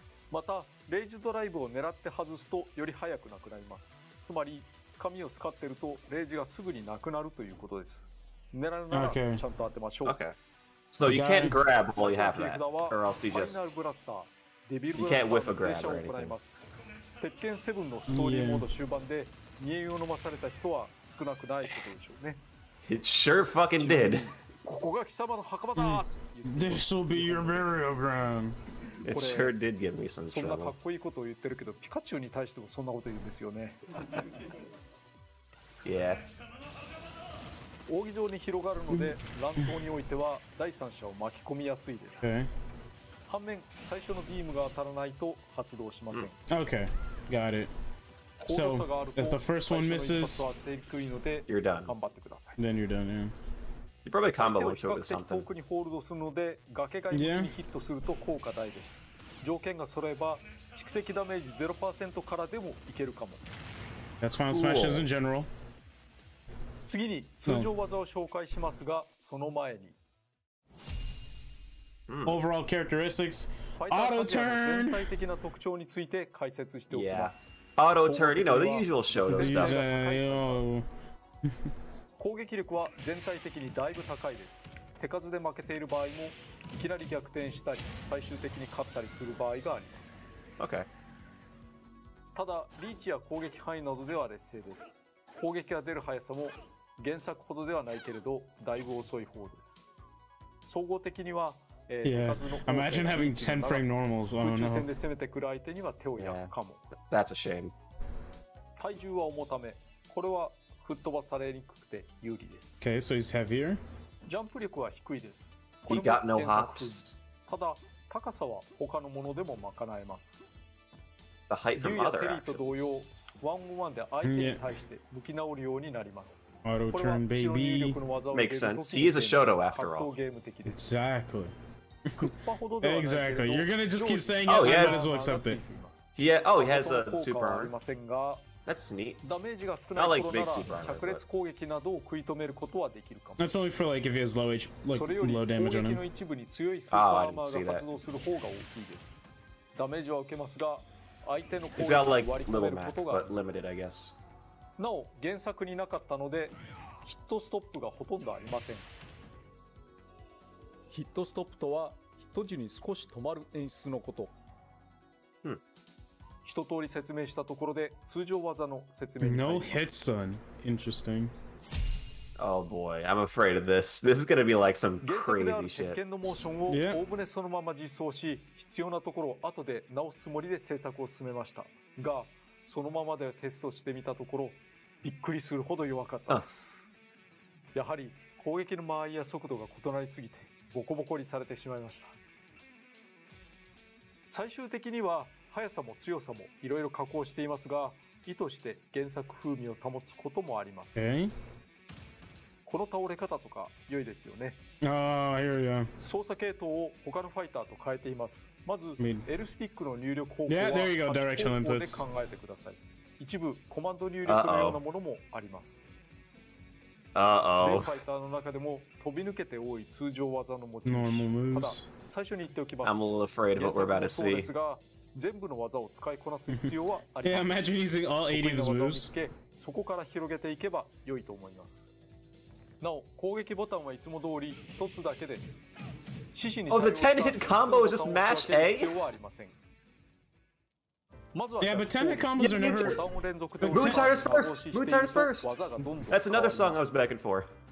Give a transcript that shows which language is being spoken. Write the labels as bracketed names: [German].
[Japanese] またレイジドライブを狙って外すとより早くなくなります。つまり掴みを使ってるとレイジがすぐになくなるということです。狙うならちゃんと当てましょう。 [English] Okay. So you can't grab while you have that, or else you just you can't whiff a grab or anything. [Japanese] 鉄拳セブンのストーリーモード終盤で任意を飲まされた人は少なくないことでしょうね。 [English] It sure fucking did. [Japanese] ここが貴様の墓場だ。 [English] This will be your burial ground It sure did give me some trouble. [Japanese] そんなかっこいいことを言ってるけど、ピカチュウに対してもそんなこと言うんですよね。 [English] Yeah. [Japanese] 扇状に広がるので、乱闘においては第三者を巻き込みやすいです。 [English] Okay. [Japanese] 反面、最初のビームが当たらないと発動しません。 [English] Okay, got it. So, if the first one misses, you're done. [Japanese] 頑張ってください。 [English] Then you're done, yeah. You probably combo with something. [Japanese] 遠くにホールドするので崖が一気にヒットすると効果大です。条件が揃えば蓄積ダメージ 0% からでもいけるかも。 [English] That's Final Smashes in general. [Japanese] 次に通常技を紹介しますが、その前に。 [English] Overall characteristics. Auto turn. [Japanese] 全体的な特徴について解説しておきます。 [English] Auto turn. You know the usual Shoto stuff. [Japanese] 攻撃力は全体的にだいぶ高いです。手数で負けている場合もいきなり逆転したり最終的に勝ったりする場合があります。 [English] OK。 [Japanese] ただリーチや攻撃範囲などでは劣勢です。攻撃が出る速さも原作ほどではないけれどだいぶ遅い方です。総合的には、 [English] Imagine having 10 frame normals. [Japanese] 宇宙戦で攻めてくる相手には手を焼くかも。 [English] That's a shame. [Japanese] 体重は重ため、これは吹っ飛ばされにくくて有利です。 [English] Okay, so he's heavier. [Japanese] ジャンプ力は低いです。 [English] He got no hops. [Japanese] ただ高さは他のものでも賄えます。 [English] The height from other actions. [Japanese] リュウやテリーと同様、ワンオンワンで相手に対して向き直るようになります。 [English] Auto turn baby. Makes sense. He is a Shoto after all. [Japanese] 格闘ゲーム的です [English] 。 Exactly. Exactly. You're gonna just keep saying it. Oh, I might as well accept it. Yeah. Oh, he has a super arm. That's neat. [Japanese] ダメージが少ない頃なら百裂攻撃などを食い止めることはできるかも。 [English] That's only for like if he has low H, like low damage on him. [Japanese] それより攻撃の一部に強いスーパーアーマーが発動する方が大きいです。ダメージは受けますが、相手の攻撃を割り込めることが [English] limited, I guess. [Japanese] なお原作になかったのでヒットストップがほとんどありません。ヒットストップとはヒット時に少し止まる演出のこと。一通り説明したところで通常技の説明に入ります。 [English] No hit stun. Interesting. Oh boy, I'm afraid of this. This is gonna be like some crazy shit. [Japanese] 原作である鉄拳のモーションを大船そのまま実装し、必要なところを後で直すつもりで制作を進めました。が、そのままでテストしてみたところ、びっくりするほど弱かったです。やはり攻撃の間合いや速度が異なりすぎて、ボコボコにされてしまいました。最終的には、速さも強さもいろいろ加工していますが、意図して原作風味を保つこともあります。この倒れ方とか良いですよね。操作系統を他のファイターと変えています。まず、L スティックの入力方法は 8方向で考えてください。一部コマンド入力のようなものもあります。全ファイターの中でも飛び抜けて多い通常技の持ち主。ただ、最初に言っておきます。 [English] I'm a little afraid of what we're about to see. [Japanese] 全部の技を使いこなす必要はありません。 [English] Yeah, imagine using all 80 of his moves. [Japanese] 得意の技を見つけ、そこから広げていけば良いと思います。なお、攻撃ボタンはいつも通り一つだけです。獅子に対応した通常ボタンを使って使用する必要はありません。まずは、 [English] Yeah, but 10 hit combos are never. Mutaris first. Mutaris first. That's another song I was begging for.